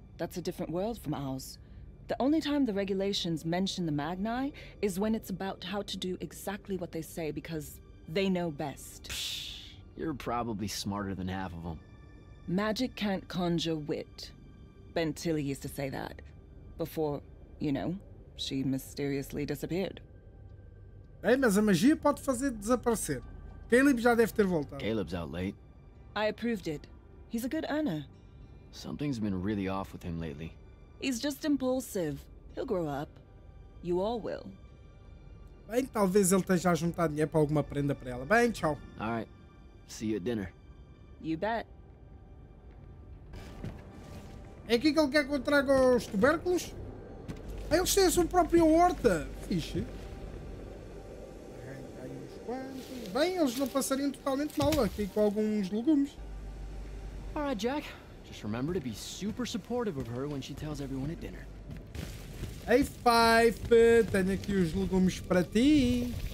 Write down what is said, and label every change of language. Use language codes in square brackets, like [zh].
[en] That's a different world from ours. The only time the regulations mention the Magni is when it's about how to do exactly what they say because they know best. Psh, you're probably smarter than half of them. Magic can't conjure wit. Bentilly used to say that. Before, you know, she mysteriously disappeared. [pt] Bem, mas a magia pode fazer desaparecer. Caleb já deve ter voltado. [en] Caleb's out late. I approved it. He's a good earner. Something's been really off with him lately. He's just impulsive. He'll grow up. You all will. [pt] Bem, talvez ele esteja a juntar dinheiro para alguma prenda para ela. Bem, tchau. [en] Alright. See you at dinner. You bet. [pt] É aqui que ele quer que eu traga os tubérculos? Ah, eles têm a sua própria horta. Fixe. Bem, eles não passariam totalmente mal aqui com alguns legumes. [en] Alright, Jack. Just remember to be super supportive of her when she tells everyone at dinner. Hey, Fife! [pt] Tenho aqui os legumes para ti!